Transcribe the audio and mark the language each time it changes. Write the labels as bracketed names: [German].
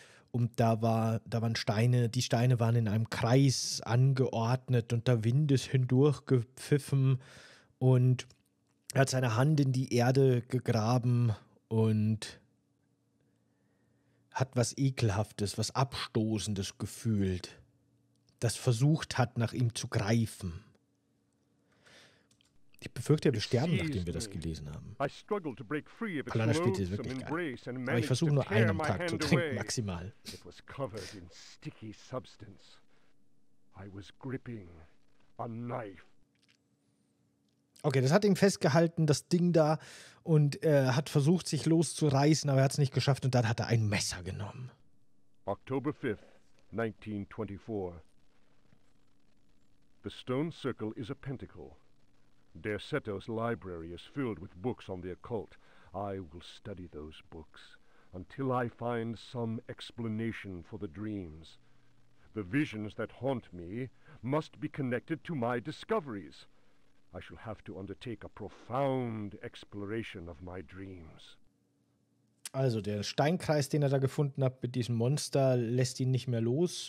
[German] Und die Steine waren in einem Kreis angeordnet und der Wind ist hindurch gepfiffen und er hat seine Hand in die Erde gegraben und hat was Ekelhaftes, was Abstoßendes gefühlt, das versucht hat, nach ihm zu greifen. Ich befürchte, wir sterben, nachdem wir das gelesen haben. Allein spielt es wirklich geil. Aber ich versuche nur einen Tag zu trinken, maximal. [English] It was covered in sticky substance. I was gripping a knife. [German] Okay, das hat ihn festgehalten, das Ding da, und hat versucht, sich loszureißen, aber er hat es nicht geschafft und dann hat er ein Messer genommen. [English] October 5th, 1924. The stone circle is a pentacle. Der Seto's library is filled with books on the occult. I will study those books until I find some explanation for the dreams. The visions that haunt me must be connected to my discoveries. I shall have to undertake a profound exploration of my dreams. [German] Also der Steinkreis, den er da gefunden hat mit diesem Monster, lässt ihn nicht mehr los.